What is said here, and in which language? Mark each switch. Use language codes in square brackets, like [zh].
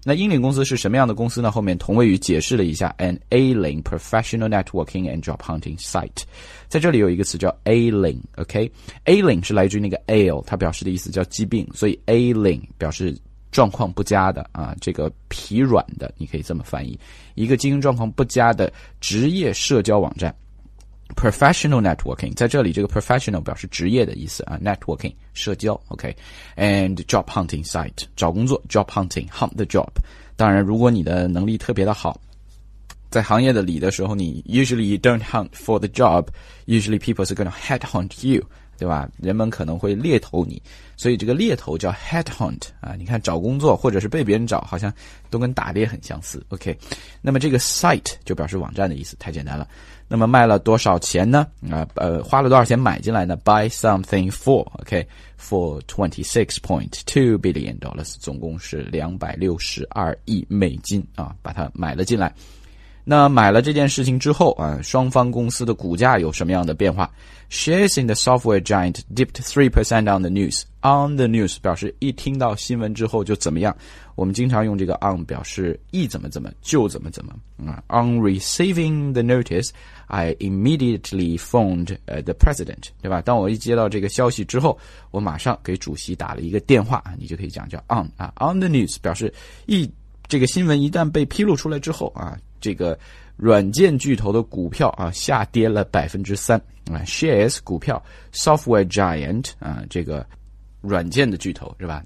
[zh] 那英领公司是什么样的公司呢？后面同位语解释了一下 [en] An ailing professional networking and job hunting site， [zh] 在这里有一个词叫 ailing， OK， ailing 是来自于那个 ail， 它表示的意思叫疾病，所以 ailing 表示状况不佳的啊，这个疲软的，你可以这么翻译，一个经营状况不佳的职业社交网站， [en] professional networking， [zh] 在这里这个 professional 表示职业的意思啊 ，networking 社交 ，OK， [en] and job hunting site [zh] 找工作 ， [en] job hunting hunt the job， [zh] 当然如果你的能力特别的好。在行业的里的时候，你 [en] usually you don't hunt for the job， usually people are going to headhunt you， [zh] 对吧？人们可能会猎头你，所以这个猎头叫 headhunt 啊。你看找工作或者是被别人找，好像都跟打猎很相似。 OK， 那么这个 site 就表示网站的意思，太简单了。那么卖了多少钱呢？花了多少钱买进来呢 ？ [en] Buy something for OK for $26.2 billion， [zh] 总共是262亿美金啊，把它买了进来。那买了这件事情之后啊，双方公司的股价有什么样的变化 ？ [en] Shares in the software giant dipped 3% on the news. On the news [zh] 表示一听到新闻之后就怎么样。我们经常用这个 on 表示一怎么怎么就怎么怎么。 [en] On receiving the notice, I immediately phoned the president， [zh] 对吧？当我一接到这个消息之后，我马上给主席打了一个电话。你就可以讲叫 on 啊。 [en] On the news [zh] 表示一这个新闻一旦被披露出来之后啊。这个软件巨头的股票啊下跌了 3%、shares 股票 software giant 啊，这个软件的巨头是吧？